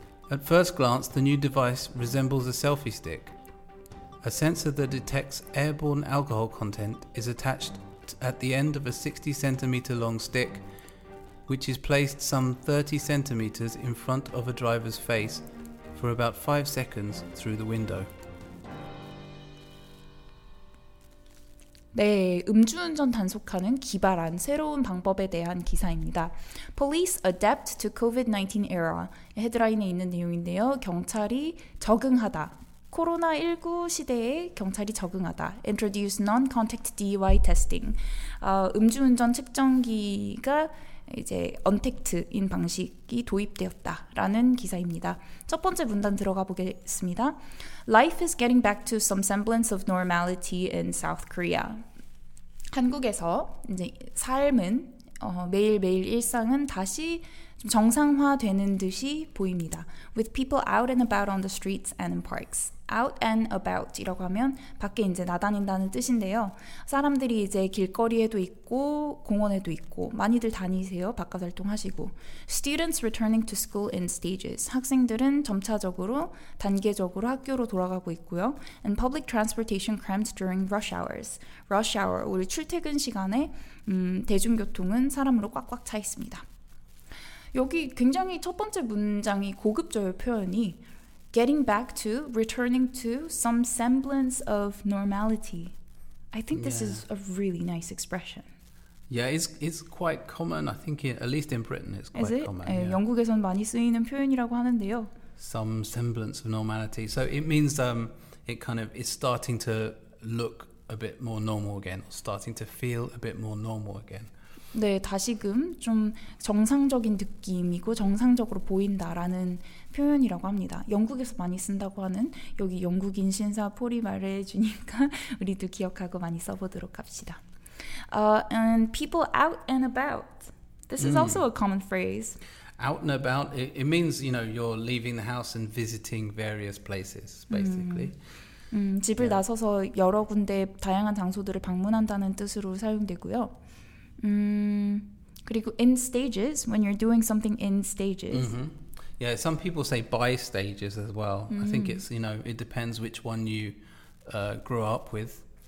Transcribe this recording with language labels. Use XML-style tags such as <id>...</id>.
<en>At first glance, the new device resembles a selfie stick. A sensor that detects airborne alcohol content is attached at the end of a 60-centimeter long stick, which is placed some 30 centimeters in front of a driver's face for about 5 seconds through the window.</en> <ko>네, 음주운전 단속하는 기발한 새로운 방법에 대한 기사입니다.</ko> <en>Police adapt to COVID-19 era.</en> <ko>헤드라인에 있는 내용인데요. 경찰이 적응하다. 코로나19 시대에 경찰이 적응하다.</ko> <en>Introduce non-contact DUI testing.</en> <ko>음주운전 측정기가 이제 언택트인 방식이 도입되었다라는 기사입니다. 첫 번째 문단 들어가 보겠습니다.</ko> <en>Life is getting back to some semblance of normality in South Korea.</en> <ko>한국에서 이제 삶은 매일매일 일상은 다시 좀 정상화되는 듯이 보입니다.</ko> <en>With people out and about on the streets and in parks. Out and about</en> <ko>이라고 하면 밖에 이제 나다닌다는 뜻인데요. 사람들이 이제 길거리에도 있고 공원에도 있고 많이들 다니세요. 바깥 활동하시고.</ko> <en>Students returning to school in stages.</en> <ko>학생들은 점차적으로 단계적으로 학교로 돌아가고 있고요.</ko> <en>And public transportation crammed during rush hours. Rush hour,</en> <ko>우리 출퇴근 시간에 대중교통은 사람으로 꽉꽉 차 있습니다. 여기 굉장히 첫 번째 문장이 고급져요.</ko> <en>표현이 Getting back to, returning to, some semblance of normality. I think this is a really nice expression. Yeah, it's quite common. I think at least in Britain, it's quite common. Is it?</en> <ko>영국에서는 많이 쓰이는 표현이라고 하는데요.</ko> <en>Some semblance of normality. So it means it kind of is starting to look a bit more normal again, starting to feel a bit more normal again.</en> <ko>네, 다시금 좀 정상적인 느낌이고 정상적으로 보인다라는 표현이라고 합니다. 영국에서 많이 쓴다고 하는 여기 영국인 신사 폴이 말해주니까 우리도 기억하고 많이 써보도록 합시다.</ko> <en>And people out and about. This is also a common phrase. Out and about, it means, you know, you're leaving the house and visiting various places, basically.</en> <ko>집을 나서서 여러 군데 다양한 장소들을 방문한다는 뜻으로 사용되고요. 그리고</ko> <en>in stages, when you're doing something in stages. Yeah, some people say by stages as well. I think it's, you know, it depends which one you grew up with.</en>